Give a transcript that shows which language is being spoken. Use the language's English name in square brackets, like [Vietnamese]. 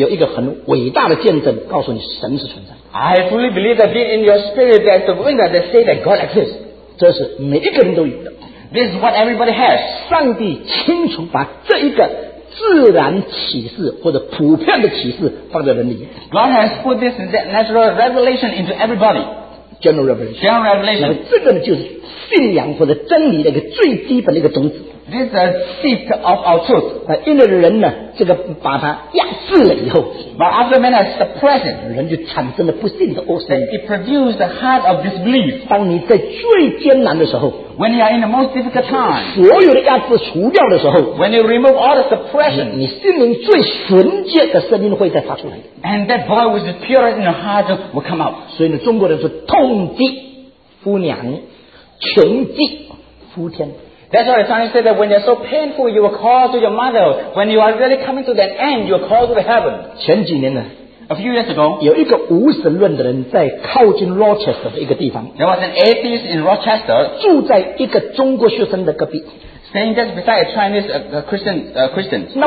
[Chinese] 我相信你心灵的深处有一个很伟大的见证，告诉你神是存在。 [English] I fully believe that being in your spirit, there's the window that say that God exists. [Chinese] 这是每一个人都有的。 [English] This is what everybody has. [Chinese] 上帝清楚把这一个自然启示或者普遍的启示放在人里面。 [English] God has put this natural revelation into everybody. General revelation. General revelation. [Chinese] 这个呢就是信仰或者真理的一个最基本的一个种子。 [English] This is seat of our truth. [Chinese] 因为人呢, 这个把它压制了以后, [English] but after man has suppressed it, [Chinese] 人就产生了不信的恶心, [English] it produces the heart of disbelief. [Chinese] 当你在最艰难的时候, [English] when you are in the most difficult time, [Chinese] 所有的压制除掉的时候, [English] when you remove all the suppression, [Chinese] 你心灵最纯洁的声音会再发出来, [English] and that voice which is purest in your heart will come out. [Chinese] 所以呢,中国人是痛击夫娘,穷击夫天。 [English] That's why the Chinese say that when you're so painful, you will call to your mother. When you are really coming to that end, you will call to the heaven. [Chinese] 前几年呢, [English] a few years ago, [Chinese] 有一个无神论的人在靠近 Rochester的一个地方, [English] there was an atheist in Rochester, [Chinese] 住在一个中国学生的隔壁, [English] staying just beside a Chinese Christian, Christian.